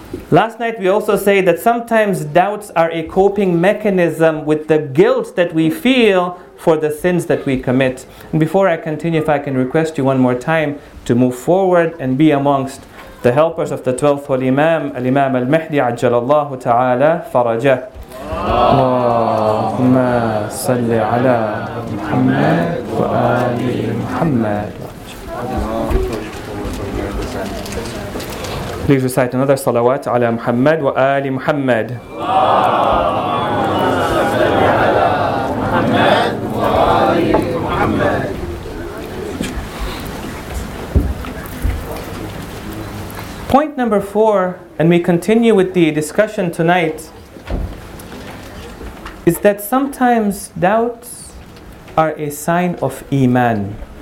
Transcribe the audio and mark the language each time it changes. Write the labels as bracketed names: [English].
[English] Last night we also said that sometimes doubts are a coping mechanism with the guilt that we feel for the sins that we commit. And before I continue, if I can request you one more time to move forward and be amongst the helpers of the 12th Holy Imam, Al-Imam Al-Mahdi Ajjalallahu Ta'ala Farajah. [Arabic] اللهم صل على محمد وآل محمد. [English] Please recite another salawat [Arabic] على محمد وآل محمد. اللهم صل على محمد وآل محمد. [English] Point number four, and we continue with the discussion tonight, is that sometimes doubts are a sign of iman.